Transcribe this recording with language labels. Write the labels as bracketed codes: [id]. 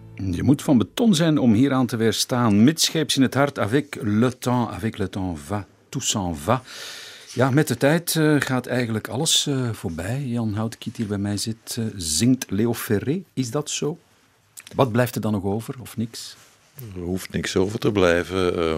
[nl] Je moet van beton zijn om hier aan te weerstaan. Midscheeps in het hart, [fr] avec le temps va, tout s'en va. [nl] Ja, met de tijd gaat eigenlijk alles voorbij. Jan Houtkiet hier bij mij zit, zingt Leo Ferré. Is dat zo? Wat blijft er dan nog over, of niks? Er hoeft niks over te blijven.